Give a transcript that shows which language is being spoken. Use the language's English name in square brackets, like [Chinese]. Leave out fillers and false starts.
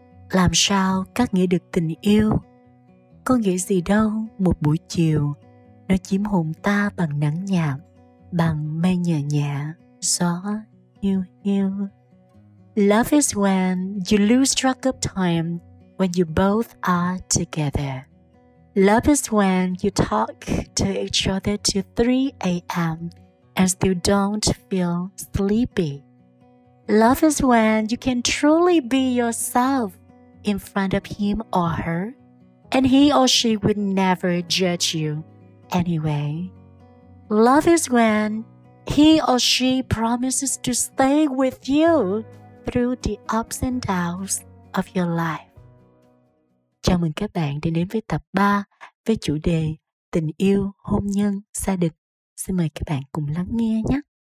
[Vietnamese] Làm sao cắt nghĩa được tình yêu? Có nghĩa gì đâu, một buổi chiều, nó chiếm hồn ta bằng nắng nhạt, bằng mây nhẹ nhẹ, gió hiu hiu. [English] Love is when you lose track of time when you both are together. Love is when you talk to each other till 3 a.m. and still don't feel sleepy. Love is when you can truly be yourself in front of him or her, and he or she would never judge you anyway. Love is when he or she promises to stay with you through the ups and downs of your life. [Vietnamese] Chào mừng các bạn đi đến với tập 3 với chủ đề tình yêu, hôn nhân, gia đình. Xin mời các bạn cùng lắng nghe nhé.